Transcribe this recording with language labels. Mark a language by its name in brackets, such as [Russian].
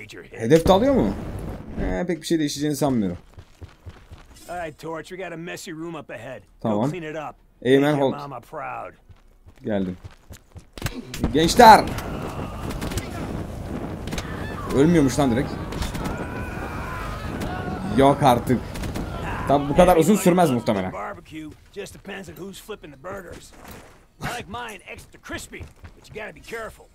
[Turkish] Hedef dalıyor mu? Pek bir şey değişeceğini sanmıyorum. [English] Alright, Torch, we got a messy room up ahead. [Turkish] Tamam. [English] Clean it up. [Turkish] Amen, hold. Geldim. Gençler! Ölmüyormuş lan direkt. Yok artık. Tabi bu kadar uzun sürmez muhtemelen. [English] Just depends on who's flipping the burgers. I like mine extra crispy, but you gotta be careful.